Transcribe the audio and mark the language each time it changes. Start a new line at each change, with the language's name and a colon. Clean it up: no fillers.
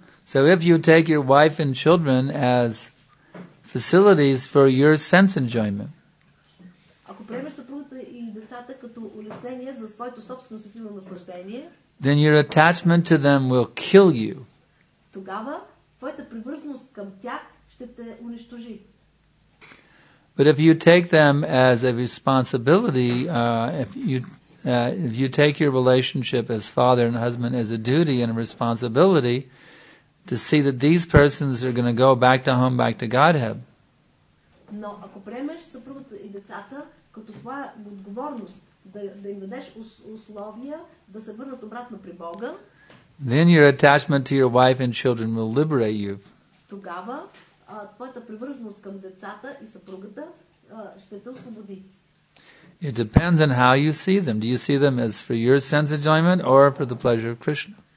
English: So if you take your wife and children as facilities for your sense enjoyment,
Bulgarian: ако приемеш съпругата и децата като улеснение за своето собствено сетиво наслаждение,
English: then your attachment to them will kill you.
Bulgarian: Тогава твоята привързаност към тях ще те унищожи.
English: But if you take them as a responsibility, if you take your relationship as father and husband as a duty and a responsibility to see that these persons are going to go back to home, back to Godhead.
Bulgarian: Но ако приемеш съпругата и децата като това отговорност да им дадеш условия да се върнат обратно при Бога,
English: then your attachment to your wife and children will liberate you.
Bulgarian: Тогава твоята привързаност към децата и съпругата ще те освободи.
English: It depends on how you see them. Do you see them as for your sense enjoyment or for the pleasure of Krishna?